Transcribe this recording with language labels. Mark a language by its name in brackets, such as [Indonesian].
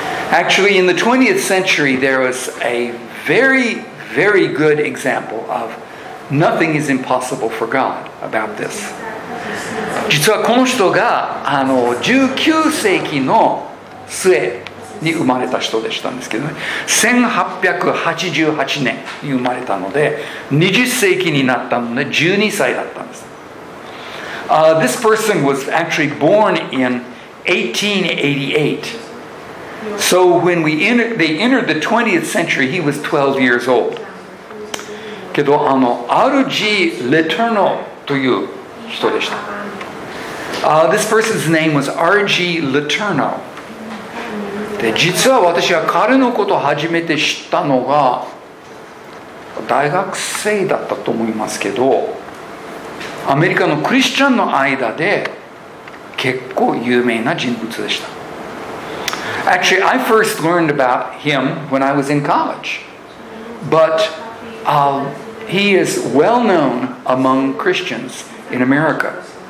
[English] Actually, in the 20th century, there was a very, very good example of nothing is impossible for God about this. [Japanese] 実はこの人が19世紀の末に生まれた人でしたんですけどね。 1888年に生まれたので、20世紀になったので12歳だったんです。 [English] This person was actually born in 1888. So when they entered the 20th century, he was 12 years old. [Japanese] けど、R.G. Letourneau という人でした。 [English] This person's name was R.G. Letourneau. [Japanese] で、実は私は彼のことを初めて知ったのが、大学生だったと思いますけど、アメリカのクリスチャンの間で結構有名な人物でした。 [English] Actually, I first learned about him when I was in college. But he is well known among Christians in America.